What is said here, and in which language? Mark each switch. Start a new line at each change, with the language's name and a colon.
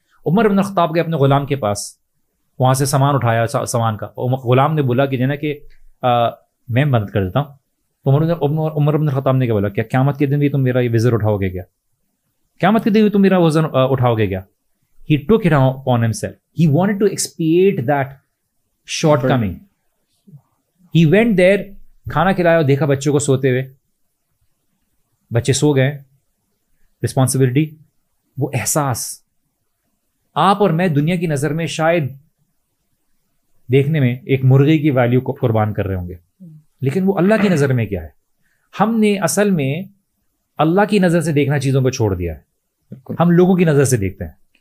Urdu: عمر بن الخطاب گئے اپنے غلام کے پاس, وہاں سے سامان اٹھایا سامان کا, غلام نے بولا کہ جو ہے نا کہ میں مدد کر دیتا ہوں, عمر بن الخطاب نے کیا بولا, کیا قیامت کے دن بھی تم میرا یہ وزر اٹھاؤ گے کیا, قیامت کے دن بھی تم میرا وزن اٹھاؤ گے کیا؟
English: He took it upon himself. He wanted to expiate that shortcoming. He went there,
Urdu: کھانا کھلایا, دیکھا بچوں کو سوتے ہوئے, بچے سو گئے, رسپانسبلٹی, وہ احساس. آپ اور میں دنیا کی نظر میں شاید دیکھنے میں ایک مرغی کی ویلیو کو قربان کر رہے ہوں گے, لیکن وہ اللہ کی نظر میں کیا ہے؟ ہم نے اصل میں اللہ کی نظر سے دیکھنا چیزوں کو چھوڑ دیا ہے, ہم لوگوں کی نظر سے دیکھتے ہیں.